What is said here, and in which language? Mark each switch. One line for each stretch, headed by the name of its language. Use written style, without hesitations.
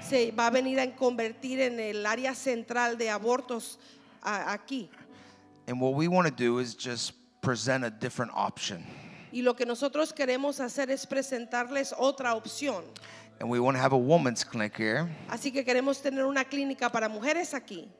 Spanish: Se va a venir a convertir en el área central de abortos aquí.
English: And what we want to do is just present a different option.
Spanish: Y lo que nosotros queremos hacer es presentarles otra opción.
English: And we want to have a woman's clinic here.
Spanish: Así que queremos tener una clínica para mujeres aquí.